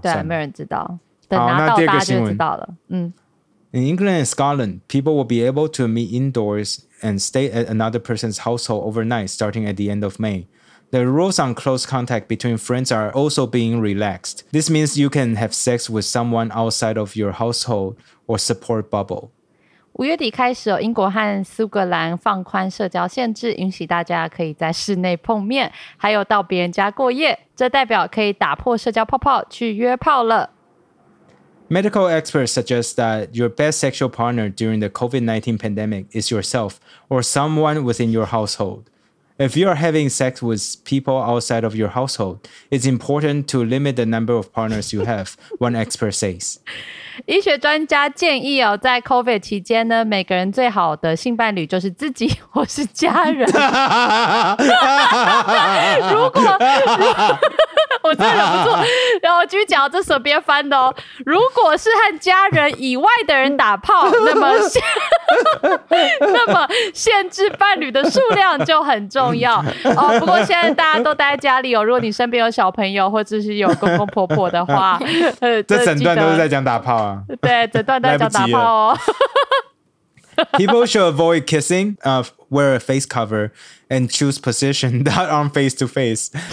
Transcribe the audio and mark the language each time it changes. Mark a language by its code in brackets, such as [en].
[zh] 对，没人知道，等拿到大家就知道了，嗯。 [en] In England and Scotland, people will be able to meet indoors and stay at another person's household overnight starting at the end of May. The rules on close contact between friends are also being relaxed. This means you can have sex with someone outside of your household or support bubble. [zh] 五月底开始，英国和苏格兰放宽社交限制，允许大家可以在室内碰面，还有到别人家过夜，这代表可以打破社交泡泡，去约炮了。 [en] Medical experts suggest that your best sexual partner during the COVID-19 pandemic is yourself or someone within your household. If you are having sex with people outside of your household, it's important to limit the number of partners you have, one expert says. [zh] 医学专家建议哦，在 COVID 期间呢，每个人最好的性伴侣就是自己或是家人。如果我真的不错，然后我继续讲，这手边翻的哦。如果是和家人以外的人打炮，那么限制伴侣的数量就很重要哦。不过现在大家都待在家里哦，如果你身边有小朋友或者是有公公婆婆的话，这整段都是在讲打炮啊。对，整段都在讲打炮哦。 [en] People should avoid kissing. Wear a face cover and choose position not on face-to-face.